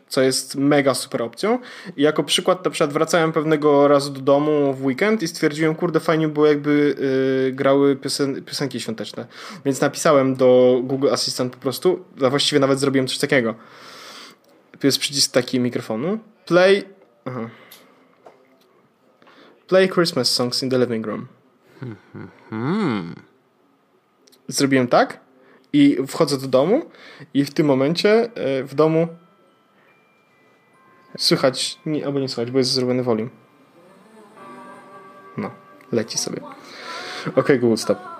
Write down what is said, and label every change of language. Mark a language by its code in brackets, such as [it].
[pl] co jest mega super opcją. I jako przykład, na przykład wracałem pewnego razu do domu w weekend i stwierdziłem, kurde, fajnie było, jakby grały piosenki świąteczne. Więc napisałem do Google Assistant po prostu, a właściwie nawet zrobiłem coś takiego. Tu jest przycisk taki mikrofonu. [en] Play. Aha. Play Christmas songs in the living room. [pl] Zrobiłem tak i wchodzę do domu i w tym momencie w domu słychać, nie, albo nie słychać, bo jest zrobiony volume. No, leci sobie. [en] Ok, Google, stop.